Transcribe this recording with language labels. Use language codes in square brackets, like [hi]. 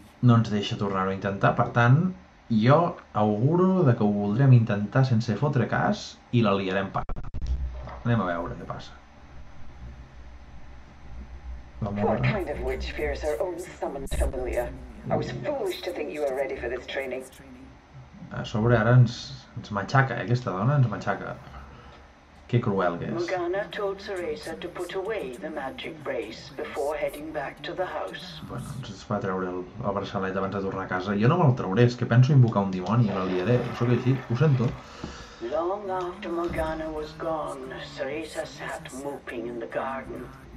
[ca] No ens deixa tornar-ho a intentar, per tant, jo auguro de que ho voldrem intentar sense fotre cas i la liarem per. Anem a veure què passa. La mort. [en] What kind of witch fears her own summoned familiar? I was foolish to think you were ready for this training. [ca] A sobre ara ens matxaca, aquesta dona ens matxaca. Que cruel que és. [en] Morgana told Cereza to put away the magic brace before heading back to the house. [ca] Bueno, ens va treure el braçalet abans de tornar a casa. Jo no me'l trauré, és que penso invocar un dimoni a la liaré. Sóc així, ho sento. [en] Long after Morgana was gone, Cereza sat moping in the garden.